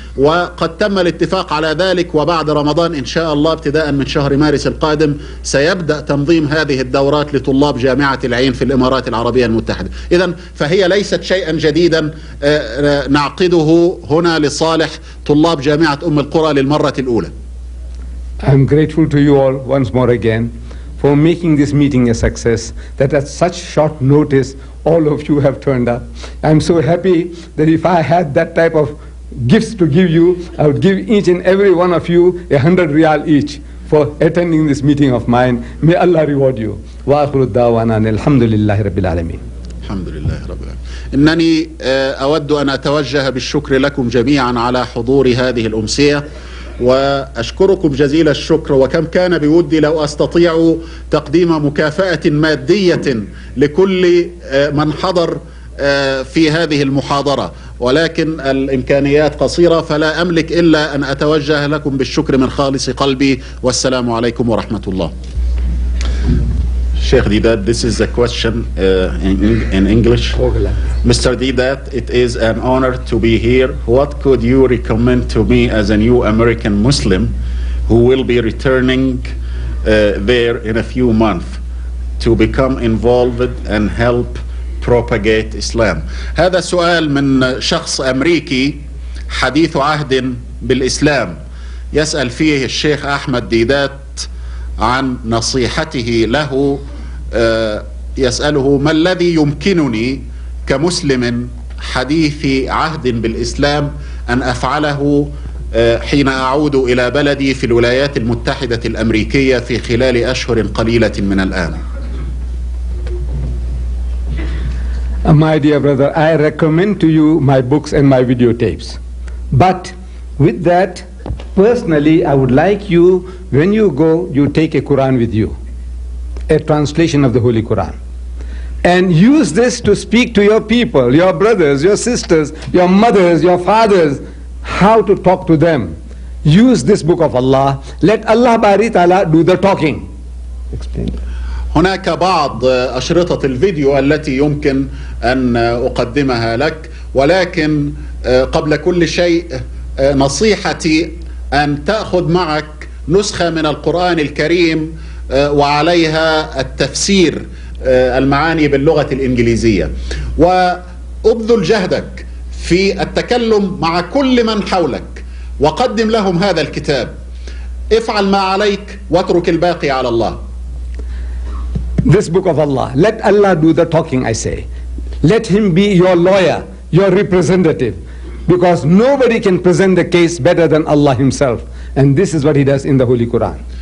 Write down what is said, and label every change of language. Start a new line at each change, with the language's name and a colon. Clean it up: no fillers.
Arabic: وقد تم الاتفاق على ذلك، وبعد رمضان إن شاء الله ابتداء من شهر مارس القادم سيبدأ تنظيم هذه الدورات لطلاب جامعة العين في الإمارات العربية المتحدة. إذن فهي ليست شيئا جديدا نعقده هنا لصالح طلاب جامعة أم القرى للمرة الأولى.
English: I'm grateful to you all once more again for making this meeting a success, that at such short notice all of you have turned up. I'm so happy that if I had that type of gifts to give you, I would give each and every one of you 100 riyal each for attending this meeting of mine. May Allah reward you.
Arabic: Wa akhiru da'wana alhamdulillahi rabbil alamin. Alhamdulillahi rabbil alamin. Innani awaddu an atawajjah bishukri lakum jami'an ala huduri hadhihi al-umsiya. وأشكركم جزيل الشكر وكم كان بودي لو أستطيع تقديم مكافأة مادية لكل من حضر في هذه المحاضرة ولكن الإمكانيات قصيرة فلا أملك إلا أن أتوجه لكم بالشكر من خالص قلبي والسلام عليكم ورحمة الله.
English: Sheikh Deedat, this is a question in English. Mr. Deedat, it is an honor to be here. What could you recommend to me as a new American Muslim who will be returning there in a few months to become involved and help propagate Islam?
Arabic: هذا سؤال من شخص أمريكي حديث عهد بالإسلام يسأل فيه الشيخ أحمد ديدات عن نصيحته له يسأله ما الذي يمكنني كمسلم حديث عهد بالإسلام أن أفعله حين أعود إلى بلدي في الولايات المتحدة الأمريكية في خلال أشهر قليلة من الآن.
English: My dear brother, I recommend to you my books and my videotapes. But with that, personally, I would like you, when you go, you take a Quran with you. A translation of the Holy Quran. And use this to speak to your people, your brothers, your sisters, your mothers, your fathers, how to talk to them. Use this book of Allah. Let Allah Bari Ta'ala do the talking. Explain.
Arabic: هناك بعض أشرطة الفيديو التي يمكن أن أقدمها لك ولكن قبل كل شيء نصيحتي أن تأخذ معك نسخة من القرآن الكريم وعليها التفسير المعاني باللغة الإنجليزية وأبذل جهدك في التكلم مع كل من حولك وقدم لهم هذا الكتاب افعل ما عليك واترك الباقي على الله.
English: This book of Allah, let Allah do the talking, I say. Let him be your lawyer, your representative, because nobody can present the case better than Allah himself, and this is what he does in the Holy Quran.